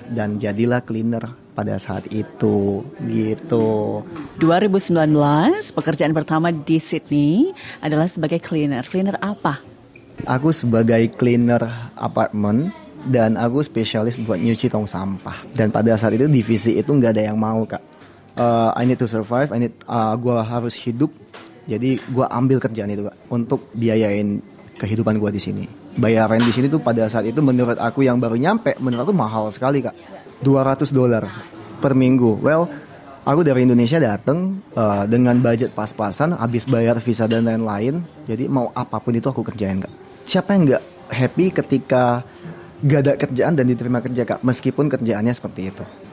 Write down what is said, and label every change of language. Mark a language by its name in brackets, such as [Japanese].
[Indonesian] Dan jadilah cleaner pada saat itu gitu. 2019 pekerjaan pertama di Sydney adalah sebagai cleaner. Cleaner apa? Aku sebagai cleaner apartemen. Dan aku spesialis buat nyuci tong sampah. Dan pada saat itu divisi itu gak ada yang mau kak. [English] I need to survive, [Indonesian] gue harus hidup. Jadi gue ambil kerjaan itu kak untuk biayain kehidupan gue di sini. Bayaran di sini tuh pada saat itu menurut aku yang baru nyampe, menurut aku mahal sekali kak, $200 per minggu. Well, aku dari Indonesia dateng dengan budget pas-pasan, habis bayar visa dan lain-lain. Jadi mau apapun itu aku kerjain kak. Siapa yang gak happy ketika gak ada kerjaan dan diterima kerja kak, meskipun kerjaannya seperti itu.